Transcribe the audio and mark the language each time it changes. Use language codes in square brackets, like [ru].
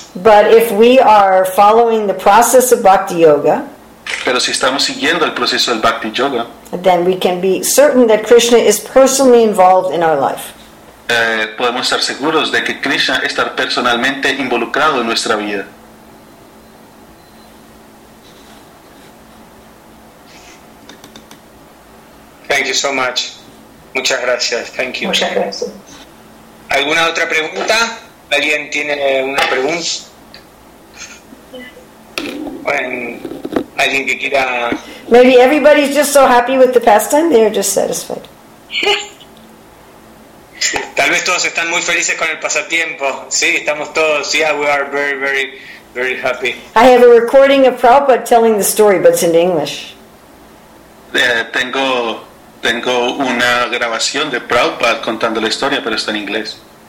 [en] But if we are following the process of Bhakti Yoga, [es] pero si estamos siguiendo el proceso del Bhakti Yoga, [en] then we can be certain that Krishna is personally involved in our life. [es] Podemos estar seguros de que Krishna está personalmente involucrado en nuestra vida. [en] Thank you so much. [es] Muchas gracias. [en] Thank you. [es] Muchas gracias. ¿Alguna otra pregunta? ¿Alguien tiene una pregunta? Bueno, alguien que quiera. [en] Maybe everybody's just so happy with the pastime, they're just satisfied. [es] Tal vez todos están muy felices con el pasatiempo. Sí, estamos todos. [en] Yeah, we are very, very, very happy. I have a recording of Prabhupada telling the story, but it's in English. [es] Tengo una grabación de Prabhupada contando la historia, pero está en inglés.